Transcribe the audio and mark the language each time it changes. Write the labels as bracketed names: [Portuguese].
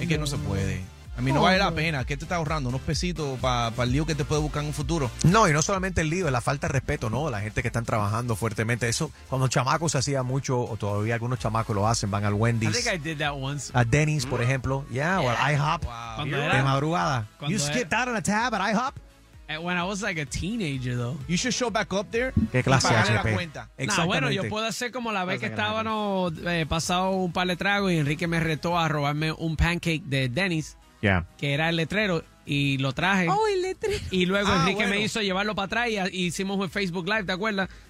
[Spanish] Es que no se puede. A mí no vale la pena. ¿Qué te estás ahorrando? ¿Unos pesitos para el lío que te puede buscar en un futuro? No, y no solamente el lío, la falta de respeto, ¿no? La gente que están trabajando fuertemente. Eso, cuando chamacos se hacía mucho, o todavía algunos chamacos lo hacen, van al Wendy's. [English] I think I did that once. [Spanish] A Denny's, por ejemplo. [English] Yeah, or IHOP. [Spanish] Wow. De madrugada. [English] You skipped out on a tab at IHOP? When I was like a teenager, though. You should show back up there. [Spanish] ¿Qué clase y pagarle HP? La cuenta. Exactamente. Nah, bueno, yo puedo hacer como la vez que estábamos pasado un par de tragos y Enrique me retó a robarme un pancake de Denny's, que era el letrero, y lo traje. ¡Oh, el letrero! Y luego Enrique me hizo llevarlo para atrás y hicimos un Facebook Live, ¿te acuerdas?